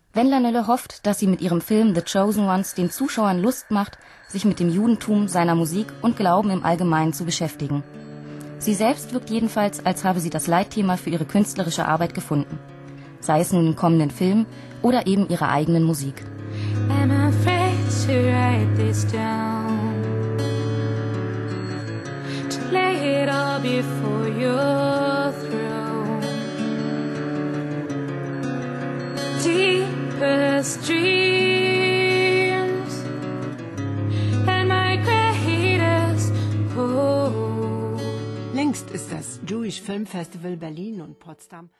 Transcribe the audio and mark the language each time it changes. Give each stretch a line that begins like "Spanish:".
German: Wendler Nölle hofft, dass sie mit ihrem Film The Chosen Ones den Zuschauern Lust macht, sich mit dem Judentum, seiner Musik und Glauben im Allgemeinen zu beschäftigen. Sie selbst wirkt jedenfalls, als habe sie das Leitthema für ihre künstlerische Arbeit gefunden. Sei es nun im kommenden Film oder eben ihrer eigenen Musik.
English: I'm afraid to write this down, to lay it all before you. Dreams and my greatest hope.
German: Längst ist das Jewish Film Festival Berlin und Potsdam.